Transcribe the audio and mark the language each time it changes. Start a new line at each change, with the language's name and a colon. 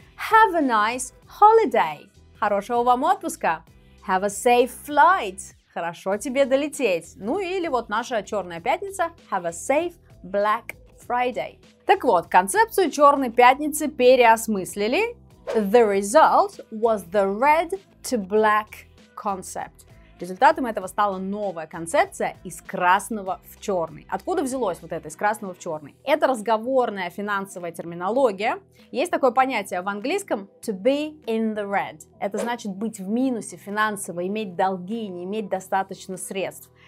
English: Have a nice holiday.
Russian: Хорошего вам отпуска.
English: Have a safe flight.
Russian: Хорошо тебе долететь. Ну или вот наша Черная пятница.
English: Have a safe Black Friday.
Russian: Так вот, концепцию Черной пятницы переосмыслили.
English: The result was the red to black concept.
Russian: Результатом этого стала новая концепция «из красного в черный». Откуда взялось вот это «из красного в черный»? Это разговорная финансовая терминология. Есть такое понятие в английском
English: «to be in the red».
Russian: Это значит быть в минусе финансово, иметь долги, не иметь достаточно средств.